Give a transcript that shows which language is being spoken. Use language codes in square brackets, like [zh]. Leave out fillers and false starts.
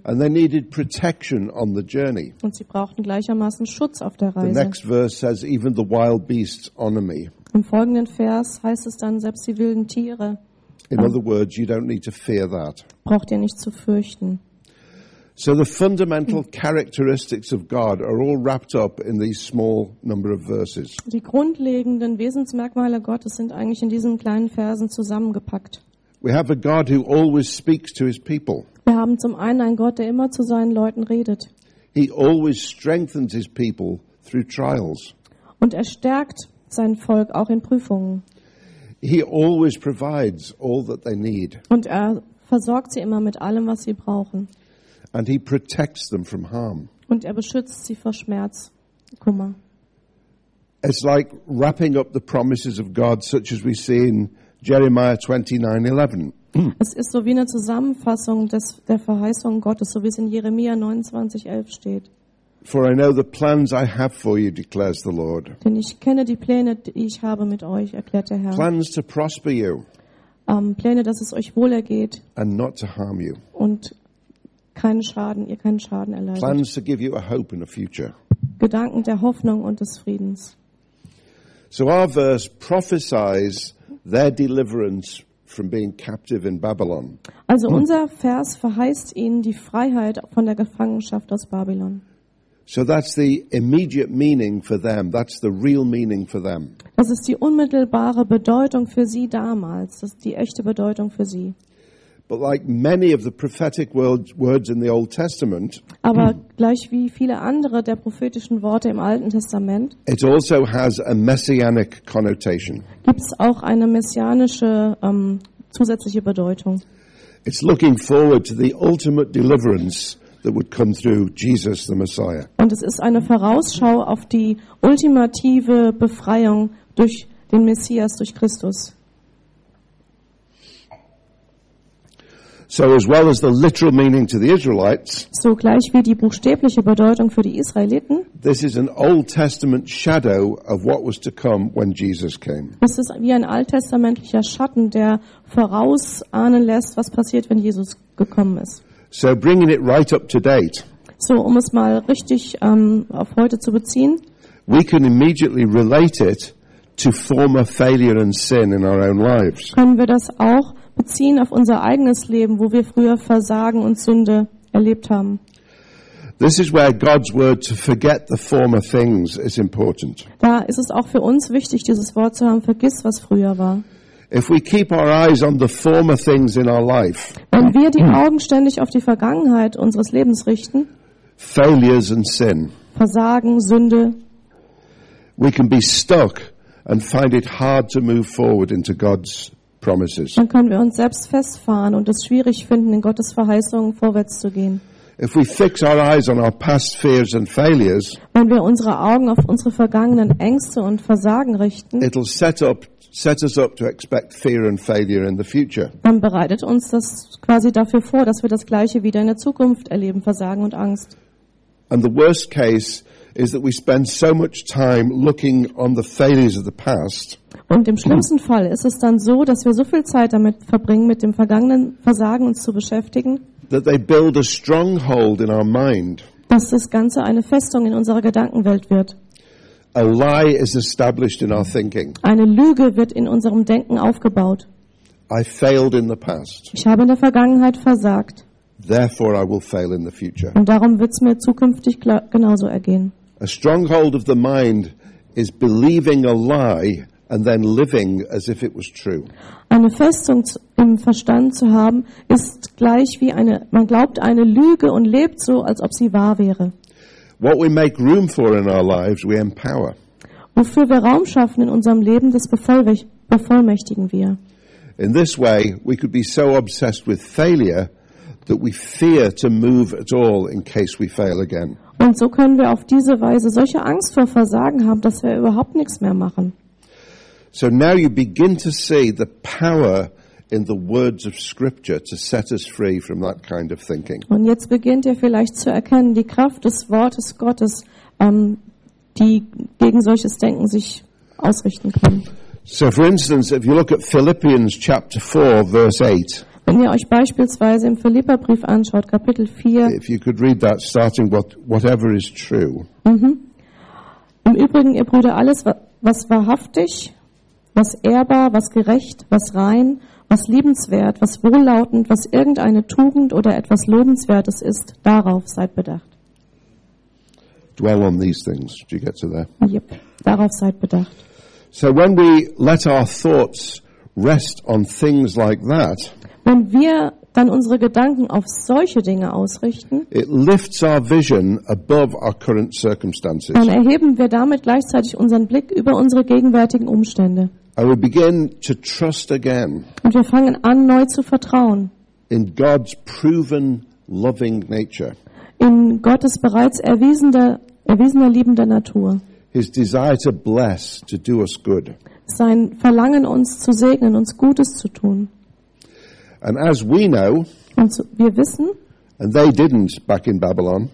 [en] And they needed protection on the journey. [de] Und sie brauchten gleichermaßen Schutz auf der Reise. [en] The next verse says, even the wild beasts honor me. [de] Im folgenden Vers heißt es dann, selbst die wilden Tiere. [en] In other words, you don't need to fear that. [de] Braucht ihr nicht zu fürchten. [en] So the fundamental characteristics of God are all wrapped up in these small number of verses. [de] Die grundlegenden Wesensmerkmale Gottes sind eigentlich in diesen kleinen Versen zusammengepackt. [en] We have a God who always speaks to his people. [de] Wir haben zum einen einen Gott, der immer zu seinen Leuten redet. [en] He always strengthens his people through trials. [de] Und er stärkt sein Volk auch in Prüfungen. [en] He always provides all that they need. [de] Und er versorgt sie immer mit allem, was sie brauchen. [en] And he protects them from harm. [de] Und er beschützt sie vor Schmerz, Kummer. [en] It's like wrapping up the promises of God, such as we see in Jeremiah 29:11. [de] Es ist so wie eine Zusammenfassung der Verheißung Gottes, so wie es in Jeremia 29:11 steht. [en] For I know the plans I have for you, declares the Lord. [de] Denn ich kenne die Pläne, die ich habe mit euch, erklärt der Herr. [en] Plans to prosper you. [de] Pläne, dass es euch wohl ergeht. [en] And not to harm you. [de] Und ihr keinen Schaden erleidet. [en] Plans to give you a hope and a future. [de] Gedanken der Hoffnung und des Friedens. [en] So our verse prophesies their deliverance from being captive in Babylon. [de] Also unser Vers verheißt ihnen die Freiheit von der Gefangenschaft aus Babylon. [en] So that's the immediate meaning for them. That's the real meaning for them. [de] Das ist die unmittelbare Bedeutung für sie damals. Das ist die echte Bedeutung für sie. [en] But like many of the prophetic words in the Old Testament, [de] aber gleich wie viele andere der prophetischen Worte im Alten Testament, [en] it also has a messianic connotation. [de] Gibt's auch eine messianische zusätzliche Bedeutung. [en] It's looking forward to the ultimate deliverance that would come through Jesus the Messiah. [de] Und es ist eine Vorausschau auf die ultimative Befreiung durch den Messias, durch Christus. [en] So as well as the literal meaning to the Israelites. [de] So gleich wie die buchstäbliche Bedeutung für die Israeliten. [en] This is an Old Testament shadow of what was to come when Jesus came. [de] Es ist wie ein alttestamentlicher Schatten, der vorausahnen lässt, was passiert, wenn Jesus gekommen ist. [en] So bringing it right up to date. [de] So um es mal richtig auf heute zu beziehen. [en] We can immediately relate it to former failure and sin in our own lives. [de] Können wir das auch beziehen auf unser eigenes Leben, wo wir früher Versagen und Sünde erlebt haben. [en] This is where God's word to forget the former things is important. [de] Da ist es auch für uns wichtig, dieses Wort zu haben, vergiss, was früher war. [en] If we keep our eyes on the former things in our life. [de] Wenn wir die Augen ständig auf die Vergangenheit unseres Lebens richten. [en] Failures and sin. [de] Versagen, Sünde. [en] We can be stuck and find it hard to move forward into God's promises. [de] Dann können wir uns selbst festfahren und es schwierig finden, in Gottes Verheißungen vorwärts zu gehen. [en] If we fix our eyes on our past fears and failures. [de] Wenn wir unsere Augen auf unsere vergangenen Ängste und Versagen richten. [en] It'll set us up to expect fear and failure in the future. [de] Dann bereitet uns das quasi dafür vor, dass wir das Gleiche wieder in der Zukunft erleben, Versagen und Angst. [en] And the worst case is that we spend so much time looking on the failures of the past. [de] Und im schlimmsten Fall ist es dann so, dass wir so viel Zeit damit verbringen, mit dem vergangenen Versagen uns zu beschäftigen, [en] that they build a stronghold in our mind. [de] Dass das Ganze eine Festung in unserer Gedankenwelt wird. [en] A lie is established in our thinking. [de] Eine Lüge wird in unserem Denken aufgebaut. [en] I failed in the past. [de] Ich habe in der Vergangenheit versagt. [en] Therefore I will fail in the future. [de] Und darum wird's mir zukünftig genauso ergehen. [en] A stronghold of the mind is believing a lie and then living as if it was true. [de] Eine Festung im Verstand zu haben ist gleich wie eine, man glaubt eine Lüge und lebt so, als ob sie wahr wäre. [en] What we make room for in our lives, we empower. [de] Wofür wir Raum schaffen in unserem Leben, das bevollmächtigen wir. [en] In this way, we could be so obsessed with failure that we fear to move at all in case we fail again. [de] Und so können wir auf diese Weise solche Angst vor Versagen haben, dass wir überhaupt nichts mehr machen. [en] So now you begin to see the power in the words of Scripture to set us free from that kind of thinking. [de] Und jetzt beginnt ihr vielleicht zu erkennen die Kraft des Wortes Gottes, die gegen solches Denken sich ausrichten kann. [en] So for instance, if you look at Philippians chapter 4, verse 8. [de] Wenn ihr euch beispielsweise im Philipperbrief anschaut, Kapitel 4. [en] If you could read that starting with whatever is true. [de] Im Übrigen, ihr Brüder, alles, was wahrhaftig, was ehrbar, was gerecht, was rein, was liebenswert, was wohllautend, was irgendeine Tugend oder etwas Lobenswertes ist, darauf seid bedacht. [en] Dwell on these things. Did you get to that? [de] Yep. Darauf seid bedacht. [en] So when we let our thoughts rest on things like that, [de] wenn wir dann unsere Gedanken auf solche Dinge ausrichten, [en] it lifts our vision above our current circumstances. [de] Dann erheben wir damit gleichzeitig unseren Blick über unsere gegenwärtigen Umstände. [en] I will begin to trust again. [de] Und wir fangen an, neu zu vertrauen. [en] In God's proven loving nature. [de] In Gottes bereits erwiesener liebender Natur. [en] His desire to bless, to do us good. [de] Sein Verlangen, uns zu segnen, uns Gutes zu tun. [en] And as we know, [de] und so, wir wissen, [en] and they didn't back in Babylon,